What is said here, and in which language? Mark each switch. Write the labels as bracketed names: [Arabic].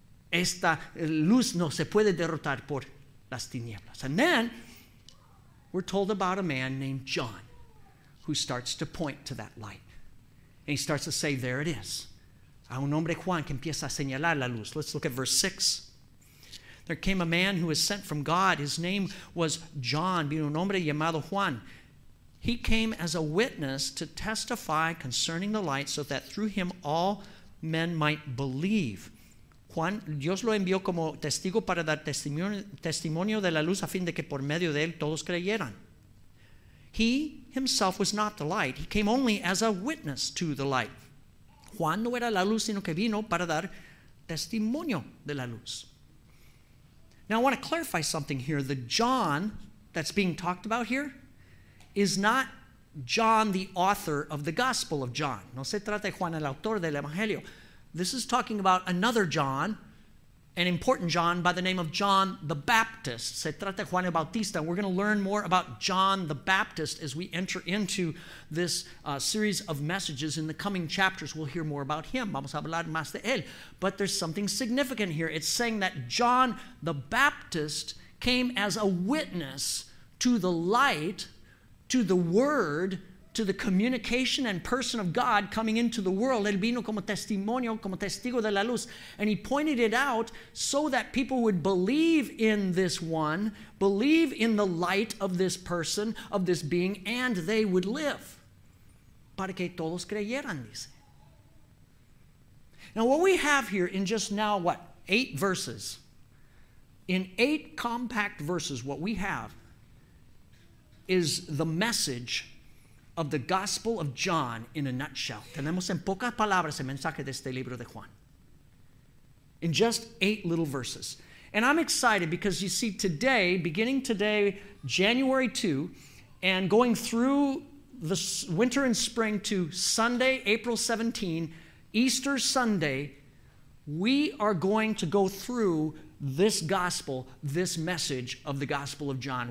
[Spanish] Esta luz no se puede derrotar por las tinieblas. [English] And then we're told about a man named John who starts to point to that light. And he starts to say, there it is. [Spanish] A un hombre Juan que empieza a señalar la luz. [English] Let's look at verse 6. There came a man who was sent from God. His name was John. [Spanish] Vino un hombre llamado Juan. [English] He came as a witness to testify concerning the light so that through him all men might believe. [Spanish] Juan, Dios lo envió como testigo para dar testimonio de la luz a fin de que por medio de él todos creyeran. [English] He himself was not the light. He came only as a witness to the light. [Spanish] Juan no era la luz, sino que vino para dar testimonio de la luz. [English] Now I want to clarify something here. The John that's being talked about here is not John, the author of the Gospel of John. [Spanish] No se trata de Juan, el autor del Evangelio. [English] This is talking about another John, an important John, by the name of John the Baptist. [Spanish] Se trata de Juan el Bautista. [English] We're going to learn more about John the Baptist as we enter into this series of messages in the coming chapters. We'll hear more about him. [Spanish] Vamos a hablar más de él. [English] But there's something significant here. It's saying that John the Baptist came as a witness to the light, to the word, to the communication and person of God coming into the world. [Spanish] Él vino como testimonio, como testigo de la luz. [English] And he pointed it out so that people would believe in this one, believe in the light of this person, of this being, and they would live. [Spanish] Para que todos creyeran, dice. [English] Now what we have here in just now, what, 8 verses? In 8 compact verses, what we have is the message of the Gospel of John in a nutshell. [Spanish] Tenemos en pocas palabras el mensaje de este libro de Juan. [English] In just 8 little verses. And I'm excited because you see today, beginning today, January 2, and going through the winter and spring to Sunday, April 17, Easter Sunday, we are going to go through this gospel, this message of the Gospel of John.